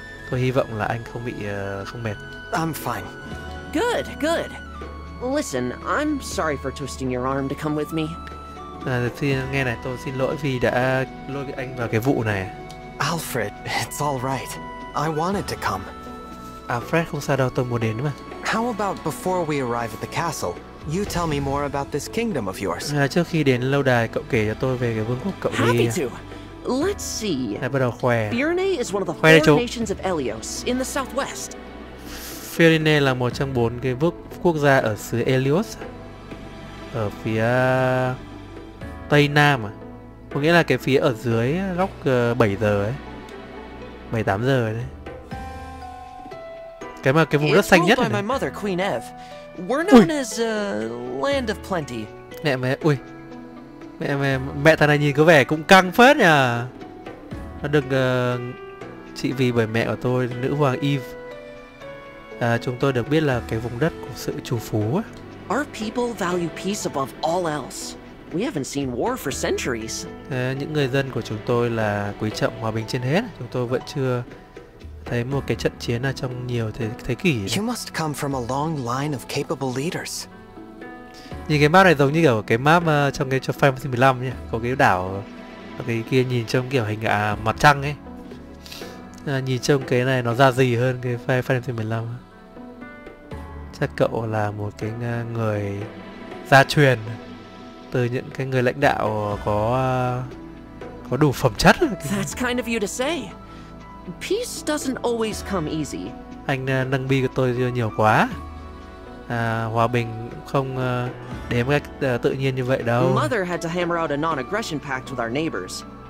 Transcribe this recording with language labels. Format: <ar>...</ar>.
<vi>Tôi hy vọng là anh không bị không mệt.</vi> <en>I'm fine. Good, good. Listen, I'm sorry for twisting your arm to come with me.</en> <vi>Nghe này, tôi xin lỗi vì đã lôi anh vào cái vụ này.</vi> <en>Alfred, it's all right. I wanted to come.</en> <vi>Alfred, không sao đâu, tôi muốn đến mà.</vi> <en>How about before we arrive at the castle, you tell me more about this kingdom of yours?</en> <vi>Trước khi đến lâu đài, cậu kể cho tôi về cái vương quốc cậu đi.</vi> <en>Happy to. Let's see.</en> <vi>Hãy bắt đầu khoe.</vi> <en>Phyrenae is one of the</en> <vi>khoe đây</vi> <en>four nations of Elios in the southwest.</en> <vi>Phyrenae là một trong bốn cái vương quốc gia ở xứ Elios ở phía tây nam à? Có nghĩa là cái phía ở dưới góc 7 giờ ấy, 7-8 giờ đấy. Cái mà cái vùng đất xanh nhất này.</vi> <en>My mother, Queen Eve. We're known as a land of plenty.</en> <vi>Mẹ mẹ, ui. Mẹ thằng này nhìn có vẻ cũng căng phết nhỉ. Nó được trị vì bởi mẹ của tôi, nữ hoàng Eve. Chúng tôi được biết là cái vùng đất của sự trù phú ấy.</vi> <en>Our people value peace above all else. We haven't seen war for centuries.</en> <vi>Những người dân của chúng tôi là quý trọng hòa bình trên hết. Chúng tôi vẫn chưa thấy một cái trận chiến nào trong nhiều thế kỷ.</vi> <en>You must come from a long line of capable leaders.</en> <vi>Nhìn cái map này giống như kiểu cái map trong cái cho Final Fantasy 15 nhỉ. Có cái đảo ở cái kia nhìn trông kiểu hình mặt trăng ấy. Nhìn trông cái này nó ra gì hơn cái Final Fantasy 15. Chắc cậu là một cái người gia truyền từ những cái người lãnh đạo có đủ phẩm chất.</vi> <en>That's kind of you to say. Peace doesn't always come easy.</en> <vi>Anh nâng bi của tôi nhiều quá. Hòa bình không đến cách tự nhiên như vậy đâu.</vi> <en>Mother had to hammer out a non-aggression pact with our neighbors.</en>